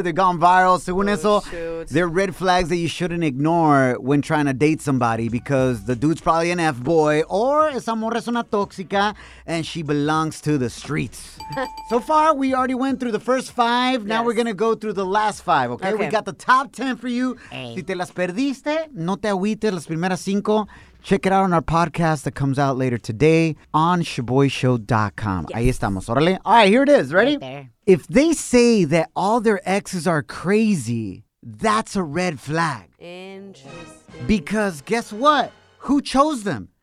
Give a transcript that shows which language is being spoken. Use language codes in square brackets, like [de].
[en] They've gone viral. They're red flags that you shouldn't ignore when trying to date somebody because the dude's probably an F-boy or [es] esa morra es una tóxica [en] and she belongs to the streets. So far, we already went through the first five. Now we're going to go through the last five, okay? We got the top 10 for you. [es] Hey. Si te las perdiste, no te agüites las primeras cinco. [en] Check it out on our podcast that comes out later today on shaboyshow.com. Yes. [es] Ahí estamos, órale. [en] All right, here it is. Ready? Right there. If they say that all their exes are crazy, that's a red flag. Interesting. Because guess what? Who chose them?